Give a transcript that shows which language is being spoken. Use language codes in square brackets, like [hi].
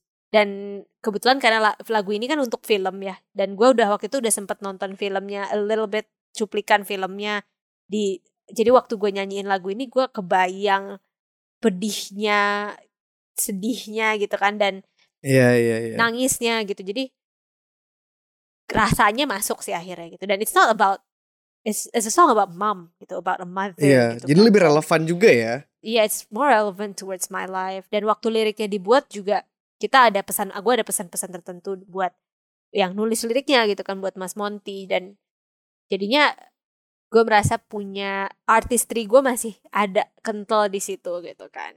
[id] Dan kebetulan karena lagu ini kan untuk film ya, dan gue udah waktu itu udah sempat nonton filmnya, [en] a little bit [id] cuplikan filmnya di. Jadi waktu gue nyanyiin lagu ini, gue kebayang pedihnya, sedihnya gitu kan, dan nangisnya gitu. Jadi rasanya masuk sih akhirnya gitu. [en] Dan it's not about, it's a song about mom gitu, about a mother. [id] Iya, gitu, jadi kan lebih relevan juga ya. [en] Yeah, it's more relevant towards my life. [id] Dan waktu liriknya dibuat juga, kita ada pesan, gue ada pesan-pesan tertentu buat yang nulis liriknya gitu kan, buat Mas Monty. Dan jadinya gue merasa punya artistry gue masih ada kental di situ gitu kan.